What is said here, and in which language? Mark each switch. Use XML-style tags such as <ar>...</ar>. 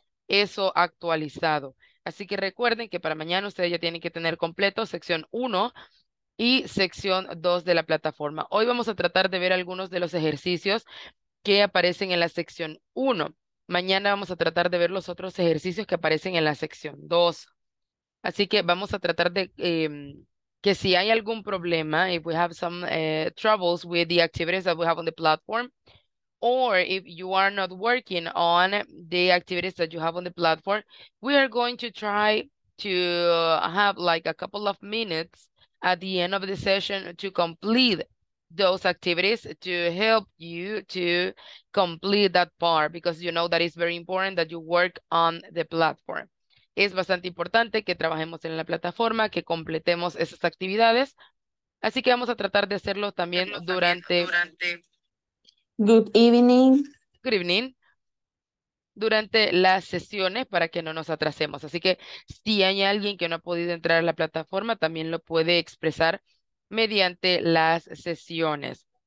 <es>Eso actualizado. Así que recuerden que para mañana ustedes ya tienen que tener completo sección 1 y sección 2 de la plataforma. Hoy vamos a tratar de ver algunos de los ejercicios que aparecen en la sección 1. Mañana vamos a tratar de ver los otros ejercicios que aparecen en la sección 2. Así que vamos a tratar de que si hay algún problema,</es> <en>if we have some troubles with the activities that we have on the platform, or if you are not working on the activities that you have on the platform, we are going to try to have like a couple of minutes at the end of the session to complete those activities to help you to complete that part, because you know that it's very important that you work on the platform.</en> <es>Es bastante importante que trabajemos en la plataforma, que completemos esas actividades. Así que vamos a tratar de hacerlo también durante...</es> <en>Good evening. Good evening.</en> <es>Durante las sesiones para que no nos atrasemos. Así que si hay alguien que no ha podido entrar a la plataforma, también lo puede expresar mediante las sesiones.</es>